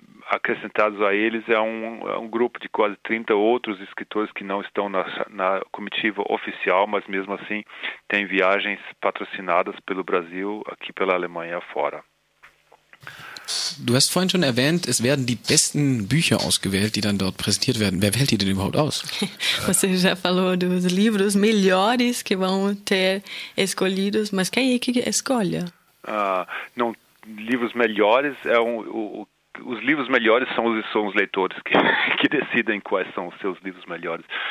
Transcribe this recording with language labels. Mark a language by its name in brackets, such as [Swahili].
[Portuguese] Acrescentados a eles é um grupo de quase 30 outros escritores que não estão na comitiva oficial, mas mesmo assim tem viagens patrocinadas pelo Brasil, aqui pela Alemanha fora. [German] Du hast vorhin schon erwähnt, es werden die besten Bücher ausgewählt, die dann dort präsentiert werden. Wer wählt die denn überhaupt aus? [Portuguese] Você já falou dos livros melhores que vão ter escolhidos, mas quem é que escolhe? Não, livros melhores é os livros melhores são os leitores que decidem quais são os seus livros melhores.